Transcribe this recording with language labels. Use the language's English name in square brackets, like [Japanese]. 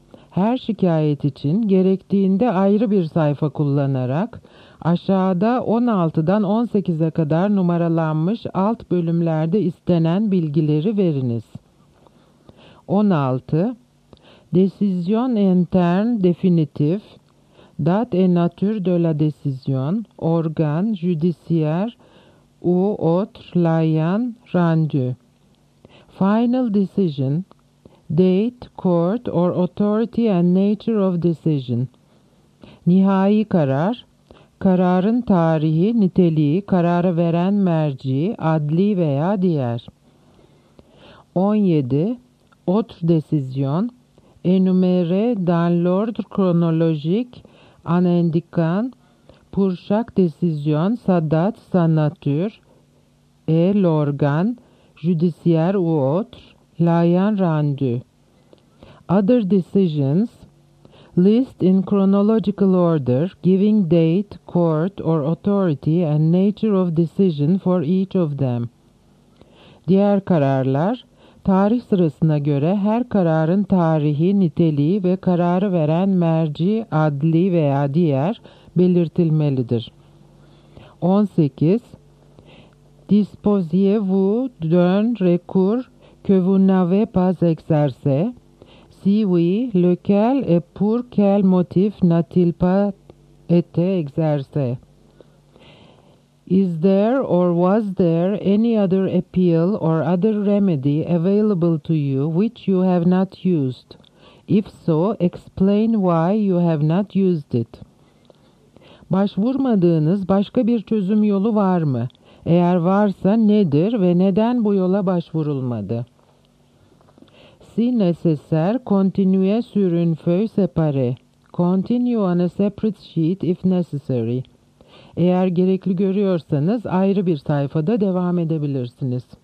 [Turkish] Her şikayet için gerektiğinde ayrı bir sayfa kullanarak aşağıda 16'dan 18'e kadar numaralanmış alt bölümlerde istenen bilgileri veriniz. 16. [French] Décision interne définitive, date et nature de la décision, organe judiciaire ou autre l'ayant rendu. [English] Final decision, date, court or authority and nature of decision. [Turkish] Nihai karar, kararın tarihi, niteliği, kararı veren merci, adli veya diğer. 17. [French] Autre décision, énumérée dans l'ordre chronologique en indiquant pour chaque décision sa date, sa nature et l'organe judiciaire ou autre l'ayant rendu. [English] Other decisions, list in chronological order, giving date, court or authority and nature of decision for each of them. [Turkish] Diğer kararlar, tarih sırasına göre her kararın tarihi, niteliği ve kararı veren merci, adli veya diğer belirtilmelidir. 18. [French] Disposiez-vous d'un recours que vous n'avez pas exercé? Si oui, lequel et pour quel motif n'a-t-il pas été exercé? [English] Is there or was there any other appeal or other remedy available to you which you have not used? If so, explain why you have not used it. [Turkish] Başvurmadığınız başka bir çözüm yolu var mı? Eğer varsa nedir ve neden bu yola başvurulmadı? [French] Si nécessaire, continuez sur une feuille séparée. [English] Continue on a separate sheet if necessary. [Turkish] Eğer gerekli görüyorsanız ayrı bir sayfada devam edebilirsiniz.